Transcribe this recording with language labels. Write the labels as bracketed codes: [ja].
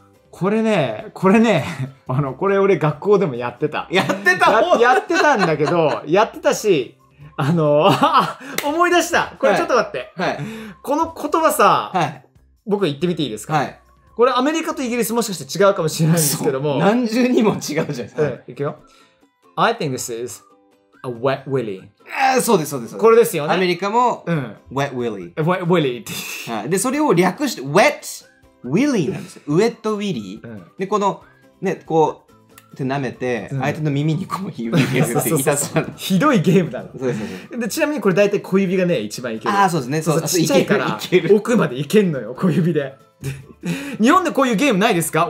[ja] これね、これ俺学校でもやってた。やってた。やってたんだけど、やってたし、思い出した。これちょっと待って。はい。この言葉さ、はい、僕言ってみていいですか。はい。これアメリカとイギリスもしかして違うかもしれないんですけども、何重にも違うじゃないですか。はい、いくよ。 [en] I think this is a wet willy。 [ja] そうですそうですこれですよね。アメリカも、 [en] wet willy。 [ja] wet willy って、はい、でそれを略して wet willy なんですよ。wet willy、でこのね、こうって舐めて、相手の耳にこう指を入れるって痛そう。ひどいゲームだろ。そうですで、ちなみにこれ大体小指がね一番いける。ああ、そうですね。そう、ちっちゃいから奥までいけんのよ、小指で。日本でこういうゲームないですか？